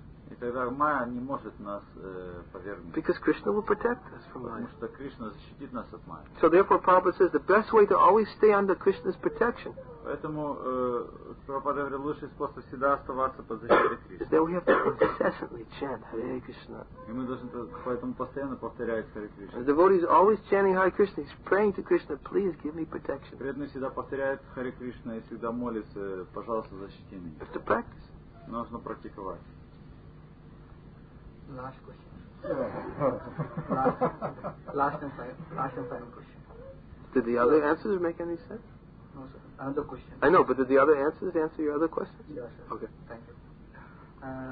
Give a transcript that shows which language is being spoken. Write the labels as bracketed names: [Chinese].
[Russian] И тогда Майя не может нас повергнуть. [English] Because Krishna will protect us from Maya. [Russian] Потому что Кришна защитит нас от Майи. [English] So therefore, Prabhupada says the best way to always stay under Krishna's protection. [Russian] Поэтому Prabhupada говорит лучший способ всегда оставаться под защитой Кришны. [English] Is that we have to incessantly chant Hare Krishna. [Russian] И мы должны поэтому постоянно повторять Hare Krishna. [English] The devotee is always chanting Hare Krishna. He's praying to Krishna, please give me protection. [Russian] Преданный всегда повторяет Hare Krishna и всегда молится, пожалуйста, защити меня. [English] Have to practice. [Russian] Нужно практиковать. [English] Last question. Did the other answers make any sense? No, sir. Another question. I know, but did the other answers answer your other questions? Yes, sir. Okay. Thank you.